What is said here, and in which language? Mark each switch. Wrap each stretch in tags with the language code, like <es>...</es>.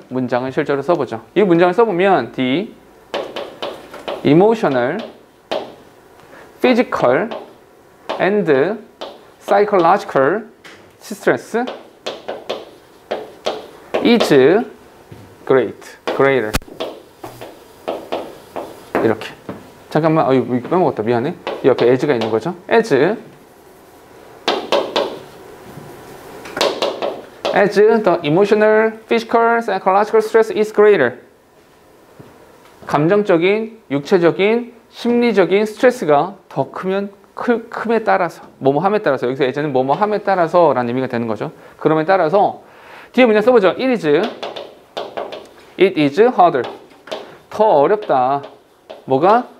<ko>문장을 실제로 써보죠. 이 문장을 써보면</ko> <en>the emotional, physical, and psychological stress is great, greater.</en> <ko>이렇게. 잠깐만, 이거 빼먹었다. 미안해. 이 옆에 as가 있는 거죠.</ko> <en>as the emotional, physical, psychological stress is greater.</en> <ko>감정적인, 육체적인, 심리적인 스트레스가 더 크면 큼에 따라서, 뭐뭐 함에 따라서, 여기서 예제는 뭐뭐 함에 따라서 라는 의미가 되는 거죠. 그럼에 따라서 뒤에 문장 써보죠.</ko> <en>It is harder.</en> <ko>더 어렵다. 뭐가?</ko>